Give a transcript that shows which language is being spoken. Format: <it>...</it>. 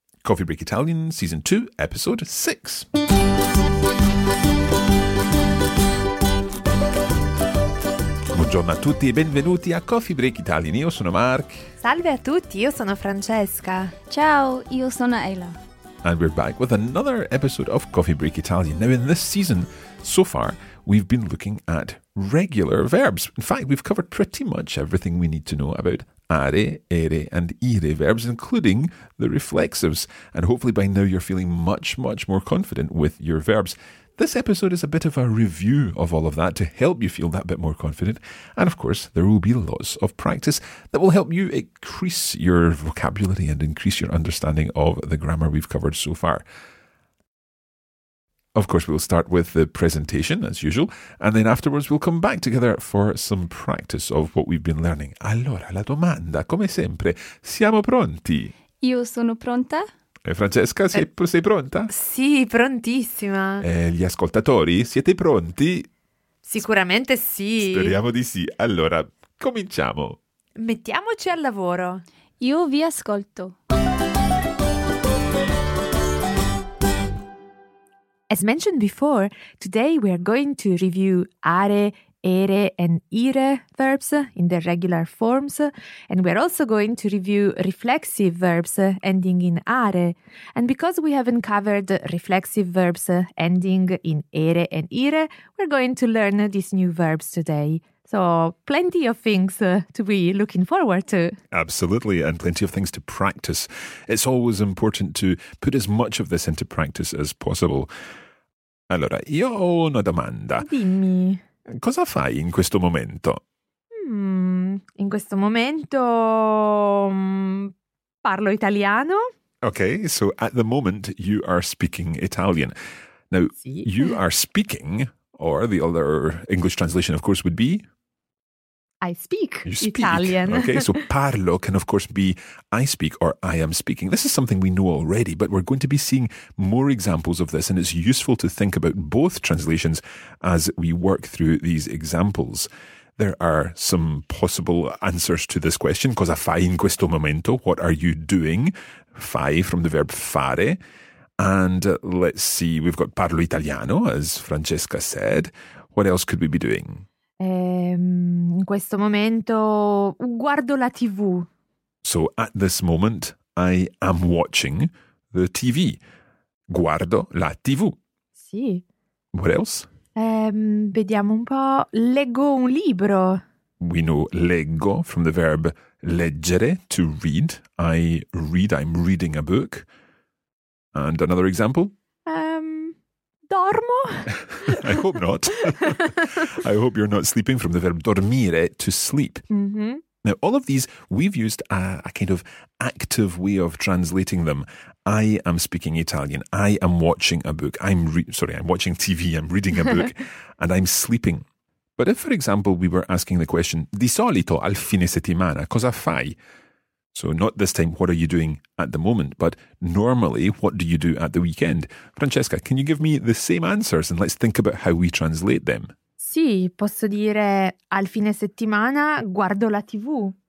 <en>Coffee Break Italian, Season 2, Episode 6.</en> <it>Buongiorno a tutti e benvenuti a Coffee Break Italian. Io sono Mark. Salve a tutti, io sono Francesca. Ciao, io sono Ayla.</it> <en>And we're back with another episode of Coffee Break Italian. Now, in this season, so far, we've been looking at regular verbs. In fact, we've covered pretty much everything we need to know about are, ere, and ire verbs, including the reflexives. And hopefully by now you're feeling much, much more confident with your verbs. This episode is a bit of a review of all of that to help you feel that bit more confident. And of course, there will be lots of practice that will help you increase your vocabulary and increase your understanding of the grammar we've covered so far. Of course, we'll start with the presentation, as usual, and then afterwards we'll come back together for some practice of what we've been learning.</en> <it>Allora, la domanda, come sempre, siamo pronti? Io sono pronta. E Francesca, sei pronta? Sì, prontissima. E gli ascoltatori, siete pronti? Sicuramente sì. Speriamo di sì. Allora, cominciamo. Mettiamoci al lavoro. Io vi ascolto.</it> <en>As mentioned before, today we are going to review are, ere, and ire verbs in their regular forms, and we're also going to review reflexive verbs ending in are. And because we haven't covered reflexive verbs ending in ere and ire, we're going to learn these new verbs today. So, plenty of things to be looking forward to. Absolutely, and plenty of things to practice. It's always important to put as much of this into practice as possible.</en> <it>Allora, io ho una domanda. Dimmi. Cosa fai in questo momento? In questo momento parlo italiano.</it> <en>Okay, so at the moment you are speaking Italian. Now,</en> <it>sì.</it> <en>You are speaking, or the other English translation, of course, would be? I speak, you speak Italian. Okay, so parlo can of course be I speak or I am speaking. This is something we know already, but we're going to be seeing more examples of this, and it's useful to think about both translations as we work through these examples. There are some possible answers to this question.</en> <it>Cosa fai in questo momento?</it> <en>What are you doing? Fai from the verb fare. And let's see, we've got</en> <it>parlo italiano,</it> <en>as Francesca said. What else could we be doing?</en> <it>In questo momento guardo la TV.</it> <en>So at this moment I am watching the TV.</en> <it>Guardo la TV. Sì.</it> <en>What else?</en> <it>Vediamo un po'. Leggo un libro.</it> <en>We know leggo from the verb leggere, to read. I read, I'm reading a book. And another example?</en> <it>Dormo?</it> <en>I hope not. I hope you're not sleeping, from the verb dormire, to sleep. Mm-hmm. Now, all of these, we've used a kind of active way of translating them. I am speaking Italian. I am watching a book. I'm watching TV. I'm reading a book. And I'm sleeping. But if, for example, we were asking the question,</en> <it>di solito al fine settimana, cosa fai?</it> <en>So not this time, what are you doing at the moment, but normally, what do you do at the weekend? Francesca, can you give me the same answers and let's think about how we translate them?</en> <it>Sì, posso dire al fine settimana guardo la TV.</it>